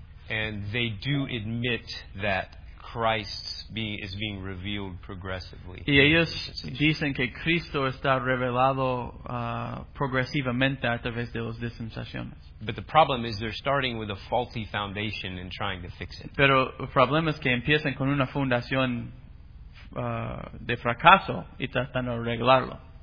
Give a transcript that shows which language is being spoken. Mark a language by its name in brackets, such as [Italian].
[English] And they do admit that Christ is being revealed progressively. [Spanish] Y ellos dicen que Cristo está revelado progresivamente a través de las dispensaciones. [English] But the problem is they're starting with a faulty foundation and trying to fix it. [Spanish] Pero el problema es que empiezan con una fundación de fracaso y tratan de arreglarlo.